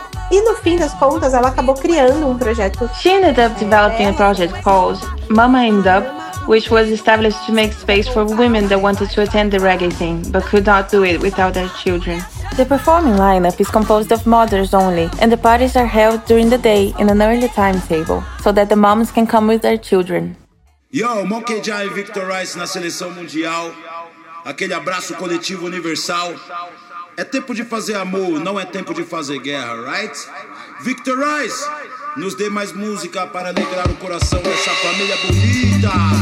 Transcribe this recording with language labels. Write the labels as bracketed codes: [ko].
[pt] E no fim das contas, ela acabou criando projeto. [en] She ended up developing a project called Mama in Dub, which was established to make space for women that wanted to attend the reggae scene, but could not do it without their children. The performing lineup is composed of mothers only, and the parties are held during the day in an early timetable, so that the moms can come with their children. [pt] Yo, Monkey Jam e Victor Rice na Seleção Mundial. Aquele abraço coletivo universal. É tempo de fazer amor, não é tempo de fazer guerra, [en] right? [pt] Victor Rice, nos dê mais música para alegrar o coração dessa família bonita.